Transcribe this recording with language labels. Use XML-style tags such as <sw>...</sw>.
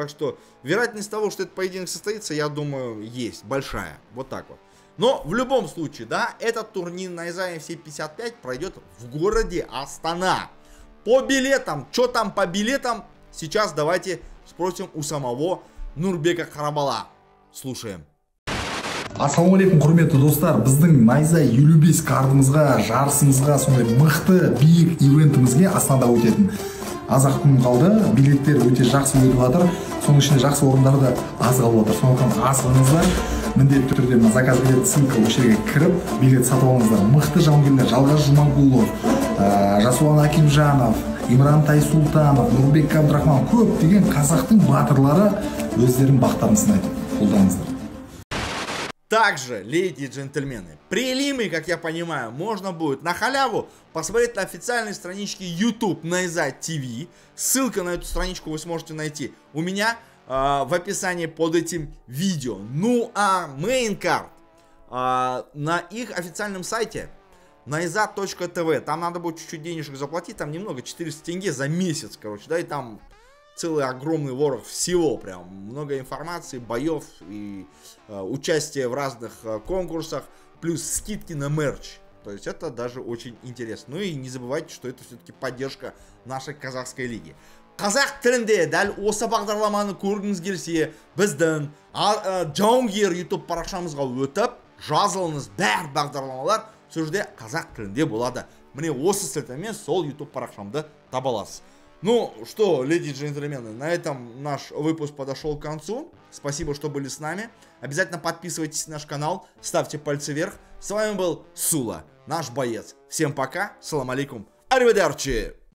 <ru>Так что вероятность того, что этот поединок состоится, я думаю, есть. Большая. Вот так вот. Но в любом случае, да, этот турнир на ISAFC 55 пройдет в городе Астана. По билетам. Что там по билетам? Сейчас давайте спросим у самого Нурбека Карабала. Слушаем.</ru> <kk>Ассаламу алейкум, құрметті достар, біздің Найза 55 кардымызға, жарысымызға, сондай мықты биік ивентімізге Астанада өтетін. Аз ақтым қалды, билеттер өте жақсы өтіп жатыр, соның ішінде жақсы орындары да аз қалып жатыр. Сондықтан асығыңыздар, міндетті түрде мына заказ билет ссылка осы жерге кіріп, билет сатып алыңыздар. Мықты жауынгерлер Жалғас Жұманқұлов, Жасұлан Акимжанов, Имран Тайсултанов, Нұрбек Абдрахманов, көп деген қазақтың батырлары өздерінің бақтарын сынайды. Қолдаңыздар.</kk> <ru>Также, леди и джентльмены, прилимы, как я понимаю, можно будет на халяву посмотреть на официальной страничке YouTube Найза TV. Ссылка на эту страничку вы сможете найти у меня в описании под этим видео. Ну а мейнкард на их официальном сайте Найза.тв. Там надо будет чуть-чуть денежек заплатить, там немного, 400 тенге за месяц, короче, да, и там целый огромный ворох всего, прям много информации, боев и участие в разных конкурсах, плюс скидки на мерч. То есть это даже очень интересно. Ну и не забывайте, что это все-таки поддержка нашей казахской лиги.</ru> <kk>Казах тренде, даль осы бағдарламаны көргіңіз келсе, біздің Джаунгер YouTube парақшамызға өтіп, жазылыңыз, бәр бағдарламалар сол жерде казах тренде болады. Міне осы сілтемен сол YouTube парақшамды табаласыз.</kk> <ru>Ну что, леди и джентльмены, на этом наш выпуск подошел к концу. Спасибо, что были с нами. Обязательно подписывайтесь на наш канал, ставьте пальцы вверх. С вами был Сула, наш боец. Всем пока, салам алейкум, арриведерчи!</ru>